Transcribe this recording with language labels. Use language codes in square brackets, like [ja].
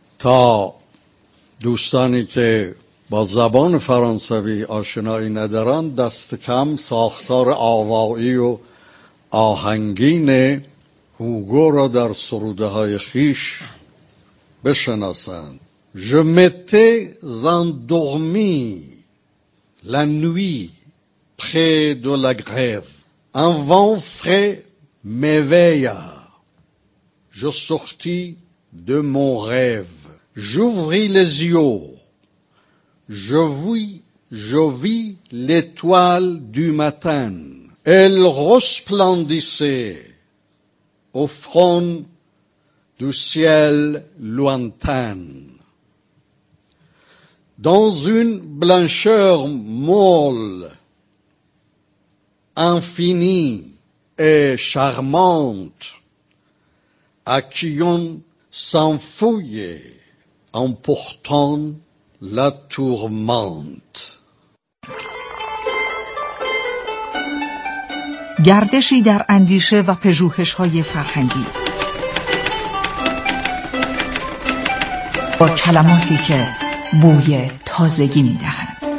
[fa] تا دوستانی که با زبان فرانسوی آشنایی ندارند، دست کم ساختار آوایی و آهنگین هوگو را در سروده های خیش بشناسند. [fr] Je m'étais endormi la nuit près de la grève. Un vent frais m'éveilla. Je sortis de mon rêve. J'ouvris les yeux. Je vis l'étoile du matin. Elle resplendissait au fond du ciel lointain. Dans une blancheur molle, infinie et charmante, à qui on s'enfouillait en portant la tourmente. [fa] گردشی در اندیشه و پژوهش‌های فرهنگی با کلماتی که بوی تازگی می‌دهند.